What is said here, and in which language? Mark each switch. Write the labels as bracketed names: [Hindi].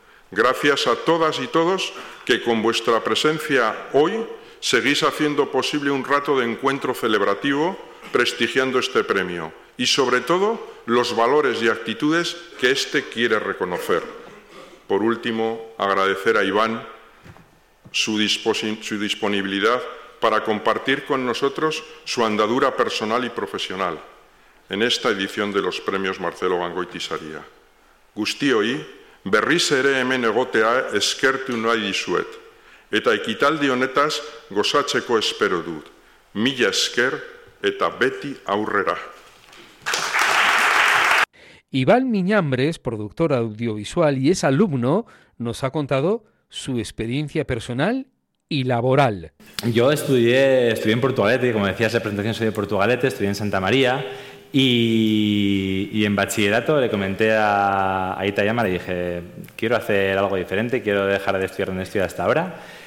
[Spanish] Gracias a todas y todos que con vuestra presencia hoy seguís haciendo posible un rato de encuentro celebrativo prestigiando este premio y, sobre todo, los valores y actitudes que éste quiere reconocer. Por último, agradecer a Iván su disponibilidad para compartir con nosotros su andadura personal y profesional en esta edición de los premios Marcelo Gangoiti Saria. [Basque] Guztioi, berriz ere hemen egotea eskertu nahi dizuet, eta ekitaldi honetaz gozatzeko espero dut. Mila esker eta beti aurrera. [Spanish] Iván Miñambres, productor audiovisual y es alumno, nos ha contado su experiencia personal y laboral. Yo estudié en Portugalete, como decía esa presentación, soy de Portugalete, estudié en Santa María y en bachillerato le comenté a Itayama, le dije, quiero hacer algo diferente, quiero dejar de estudiar donde estudié hasta ahora.